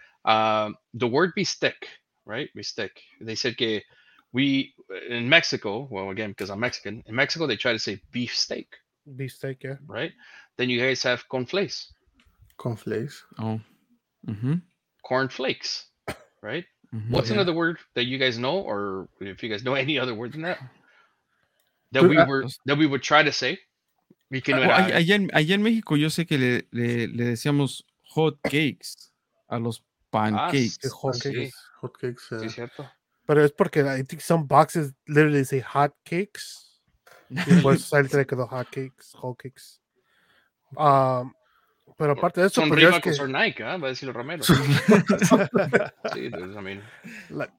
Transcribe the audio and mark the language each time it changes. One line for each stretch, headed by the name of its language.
English: The word bistec, right? Bistec. They said que we in Mexico, well, again, because I'm Mexican, in Mexico, they try to say beefsteak. Beefsteak, yeah. Right? Then you guys have conflés. Conflés. Oh. Mm-hmm. Corn flakes, right? Mm-hmm. What's another word that you guys know, or if you guys know any other word than that? That we would try to say. We can.
Spanish: Allá en México, yo sé que le decíamos hot cakes a los pancakes.
English: Hot cakes.
Spanish: Sí, cierto.
English: But it's because I think some boxes literally say hot cakes. hot cakes. But apart from that,
Spanish: son rivales que... or Nike, ¿eh? Va a decir Romero. Sí,